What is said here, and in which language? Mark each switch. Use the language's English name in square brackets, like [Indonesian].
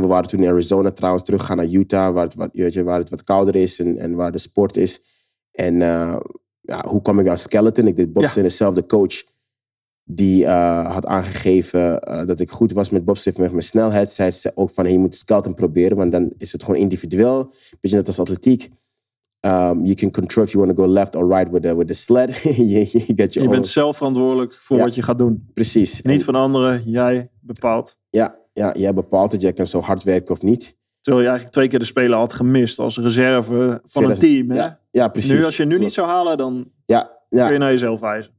[Dutch] We waren toen in Arizona trouwens, teruggegaan naar Utah, waar het wat kouder is en waar de sport is. En hoe kwam ik aan skeleton? Ik deed boxen in dezelfde coach die had aangegeven dat ik goed was met bobsleigh met mijn snelheid. Zei ze ook van, hey, je moet skeleton proberen, want dan is het gewoon individueel. Beetje net als atletiek. [English] You can control if you want to go left or right with the sled. you [Dutch] bent zelf verantwoordelijk voor wat je gaat doen. Precies. Niet van anderen, jij bepaalt. Ja, jij bepaalt het. Jij kan zo hard werken of niet. Terwijl je eigenlijk 2 keer de spelen had gemist als reserve van een team. Hè? Ja, precies. Nu, als je nu niet zou halen, dan kun je naar jezelf wijzen.